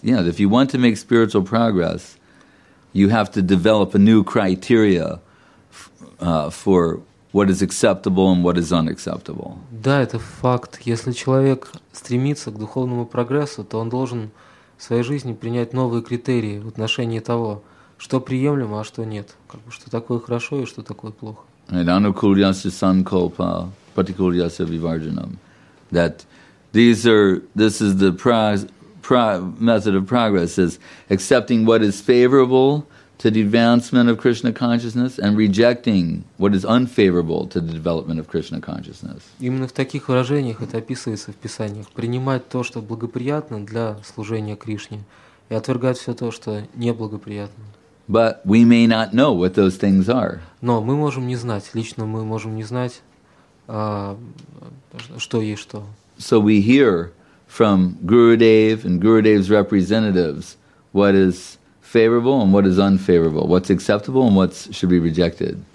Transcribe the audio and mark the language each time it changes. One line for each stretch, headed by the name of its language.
English: Yeah, if you want to make spiritual progress, you have to develop a new criteria for what is acceptable and what is unacceptable.
Russian: Да, это факт. Если человек стремится к духовному прогрессу, то он должен в своей жизни принять новые критерии в отношении того, что приемлемо, а что нет, как бы что такое хорошо и что такое плохо.
Sanskrit: Anukulyasya sankalpa, pratikulyasya vivarjanam, that
English: This is the method of progress, is accepting what is favorable to the advancement of Krishna consciousness and rejecting what is unfavorable to the development of Krishna consciousness.
Russian: Именно в таких выражениях это описывается в писаниях. Принимать то, что благоприятно для служения Кришне, и отвергать все то, что неблагоприятно.
English: But we may not know what those things are.
Russian: Но мы можем не знать, лично мы можем не знать, что есть что.
English: So we hear from Gurudev and Gurudev's representatives what is favorable and what is unfavorable, what's acceptable and what should be rejected.